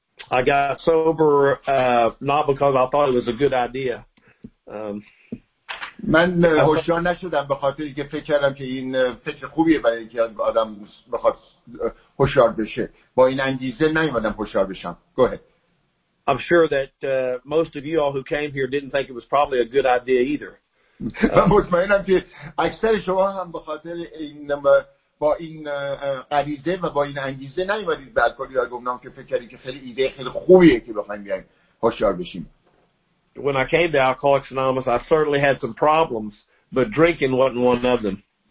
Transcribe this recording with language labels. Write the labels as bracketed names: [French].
[English] I got sober not because I thought it was a good idea. [Persian] من هوشیار نشدم به خاطر اینکه فکر کردم که این فکر خوبیه برای اینکه آدم بخواد هوشیار بشه. با این انگیزه نیومدم هوشیار بشم. [English] Go ahead. I'm sure that most of you all who came here didn't think it was probably a good idea either. [Persian] مطمئنم که اکثر شما هم به خاطر این با این غریزه و با این انگیزه نیومدید به الکلی یا گمنام که فکر کردید که خیلی ایده خیلی خوبیه که بخوایم بیایم هوشیار بشیم. [English] When I came to Alcoholics Anonymous, I certainly had some problems, but drinking wasn't one of them.